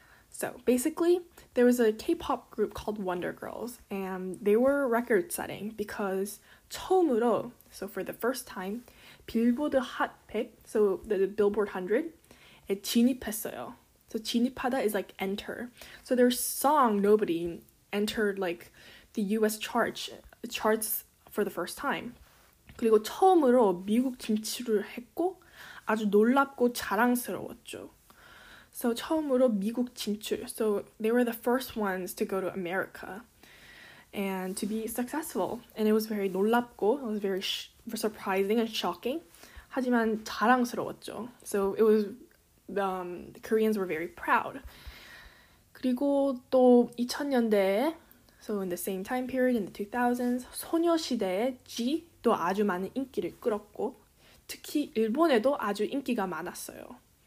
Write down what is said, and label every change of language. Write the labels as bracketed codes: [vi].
[en] So basically, there was a K-pop group called Wonder Girls, and they were record-setting because [ko] 처음으로, [en] so for the first time, [ko] 빌보드 핫 100, [en] so the Billboard 100에 [ko] 진입했어요. [en] So 진입하다 is like enter. So their song Nobody entered like the U.S. charts for the first time. [ko] 그리고 처음으로 미국 진출을 했고 아주 놀랍고 자랑스러웠죠. So 처음으로 미국 진출. [en] So they were the first ones to go to America and to be successful. And it was very [ko] 놀랍고, [en] it was very surprising and shocking. [ko] 하지만 자랑스러웠죠. [en] So it was, the Koreans were very proud. [ko] 그리고 또 2000년대에, [en] so in the same time period, in the 2000s, [ko] 소녀시대의 G도 아주 많은 인기를 끌었고, 특히 일본에도 아주 인기가 많았어요.